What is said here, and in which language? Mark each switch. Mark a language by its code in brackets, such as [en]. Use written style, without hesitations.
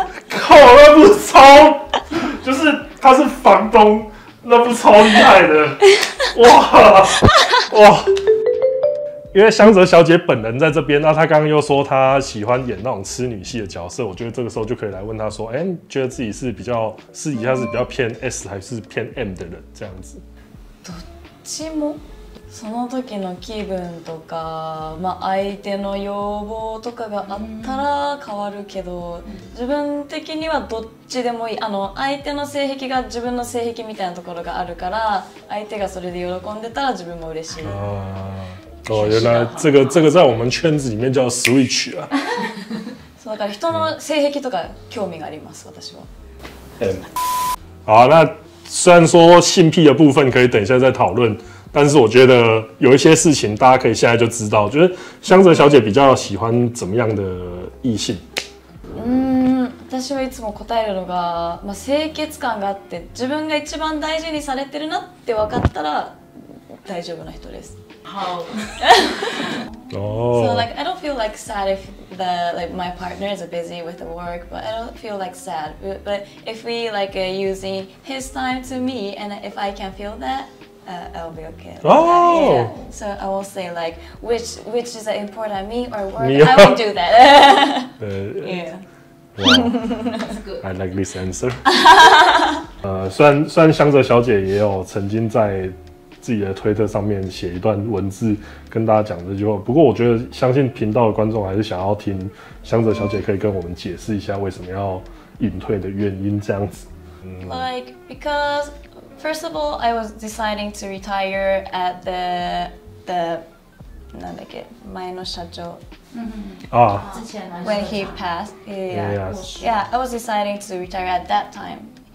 [zh] 靠，那部超，就是他是房东，那部超厉害的，哇哇！因为相澤小姐本人在这边，那她刚刚又说她喜欢演那种痴女系的角色，我觉得这个时候就可以来问她说，哎，觉得自己是比较私底下是比较偏 S 还是偏 M 的人这样子？ [ja] どっちもその時の気分とか、まあ相手の要望とかがあったら変わるけど、自分的にはどっちでもいい。あの相手の性癖が自分の性癖みたいなところがあるから、相手がそれで喜んでたら自分も嬉しい。あ [zh] ー哦，原来这个在我们圈子里面叫 switch 啊。 [ja] そうだから人の性癖とか興味があります、私は。 [zh] 好，那虽然说性癖的部分可以等一下再讨论，但是我觉得有一些事情大家可以现在就知道，就是相澤小姐比较喜欢怎么样的异性。 [ja] 私はいつも答えるのが、まあ清潔感があって自分が一番大事にされてるなって分かったら大丈夫な人です。 [en] How? oh. So like, I don't feel like sad if the like my partner is busy with the work, but I don't feel like sad. But if we like using his time to me, and if I can feel that, I'll be okay. Oh. Yeah. So I will say like, which is important, me or work? I will do that. yeah. Wow, I like this answer. [zh] 虽然相澤小姐也有曾经在。自己的推特上面写一段文字跟大家讲这句话，不过我觉得相信频道的观众还是想要听相澤小姐可以跟我们解释一下为什么要隐退的原因这样子。 [en] Like because first of all, I was deciding to retire at the [ja] なんだっけ前の社長。ああ。 [en] When he passed, yeah, I was deciding to retire at that time.